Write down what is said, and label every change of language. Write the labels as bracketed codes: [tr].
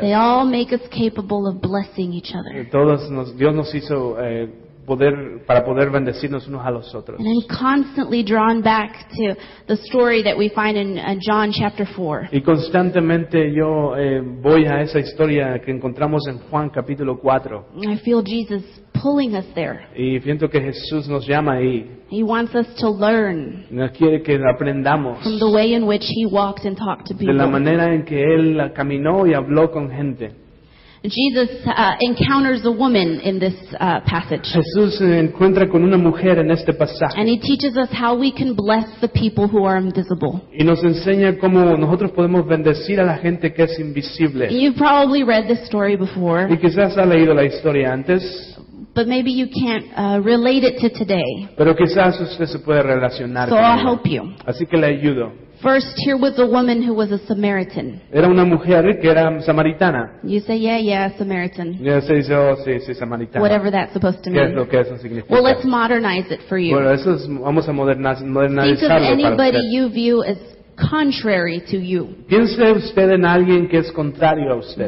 [en] they all make us capable of blessing each other. [es] Todos Dios nos hizo poder para poder bendecirnos unos a los otros. [en] And I'm constantly drawn back to the story that we find in John chapter 4. [es] Y constantemente yo voy a esa historia que encontramos en Juan capítulo 4. [en] I feel Jesus pulling us there. [es] Y siento que Jesús nos llama ahí. [en] He wants us to learn. [es] Nos quiere que aprendamos. [en] From the way in which he walked and talked to people. [es] De la manera en que él caminó y habló con gente. [en] Jesus encounters a woman in this passage. [es] Jesús se encuentra con una mujer en este pasaje. [en] And he teaches us how we can bless the people who are invisible. [es] Y nos enseña cómo nosotros podemos bendecir a la gente que es invisible. [en] You've probably read this story before. [es] Y quizás ha leído la historia antes. [en] But maybe you can't relate it to today. [es] Pero quizás usted se puede relacionar con ella. [en] So I'll help you. [es] Así que le ayudo. [en] First, here was a woman who was a Samaritan. [es] Era una mujer que era samaritana. [en] You say, yeah, Samaritan. [es] Yeah, se dice, oh, sí, samaritana. [en] Whatever that's supposed to mean. [es] ¿Qué es lo que eso significa? [en] Well, let's modernize it for you. [es] Bueno, eso es, vamos a modernizarlo para usted. [en] Think of anybody you view as contrary to you. [es] Piense usted en alguien que es contrario a usted.